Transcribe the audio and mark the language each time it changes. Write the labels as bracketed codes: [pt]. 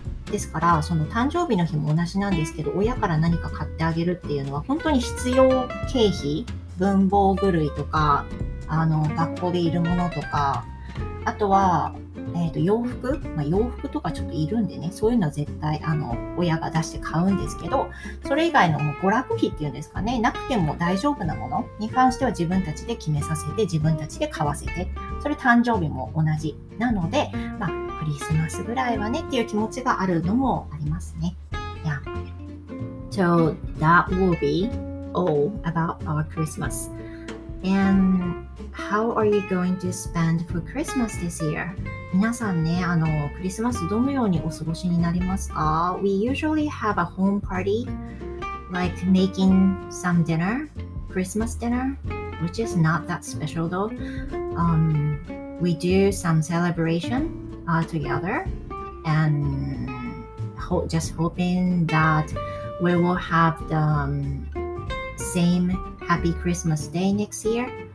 [ja] ですから、その誕生日の日も同じなんですけど、親から何か買ってあげるっていうのは本当に必要経費、文房具類とか、学校でいるものとか、あとは、洋服、洋服とかちょっといるんでね、そういうのは絶対親が出して買うんですけど、それ以外のもう娯楽費っていうんですかね、なくても大丈夫なものに関しては自分たちで決めさせて、自分たちで買わせて、それ誕生日も同じなので、クリスマスぐらいはねっていう気持ちがあるのもありますね。 [en] Yeah. So that will be all about our Christmas. And how are you going to spend for Christmas this year? [ja] 皆さんね、クリスマスどのようにお過ごしになりますか? [en] We usually have a home party, like making some dinner, Christmas dinner, which is not that special though. We do some celebration together and just hoping that we will have the same Happy Christmas Day next year.